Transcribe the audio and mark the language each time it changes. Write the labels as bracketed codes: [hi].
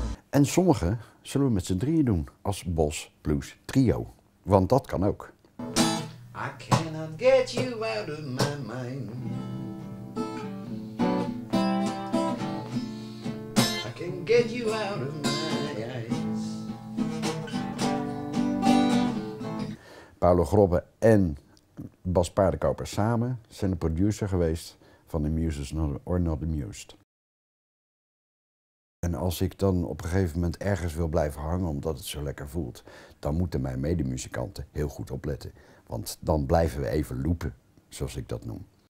[nl] En sommige zullen we met z'n drieën doen als Boss Blues Trio. Want dat kan ook. [en] I cannot get you out of my mind. I can get you out of my eyes. [nl] Paolo Grobbe en Bas Paardenkoper samen zijn de producer geweest van The Muses or Not Amused. En als ik dan op een gegeven moment ergens wil blijven hangen omdat het zo lekker voelt, dan moeten mijn medemuzikanten heel goed opletten. Want dan blijven we even loopen, zoals ik dat noem.